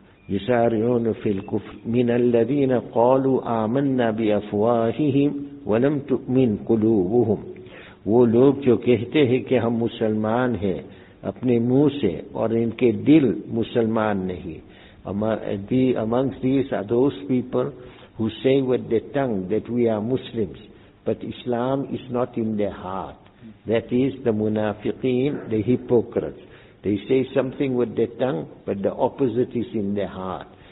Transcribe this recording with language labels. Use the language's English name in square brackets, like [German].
[Arabic] يسارعون في الكفر من الذين قالوا آمنا بأفواههم ولم تؤمن قلوبهم. [Urdu] وہ لوگ جو کہتے ہیں کہ ہم مسلمان ہیں اپنے منہ سے اور ان کے دل مسلمان نہیں. [English] Amongst these are those people who say with their tongue that we are Muslims, but Islam is not in their heart. That is the munafiqeen, the hypocrites. They say something with their tongue, but the opposite is in their heart.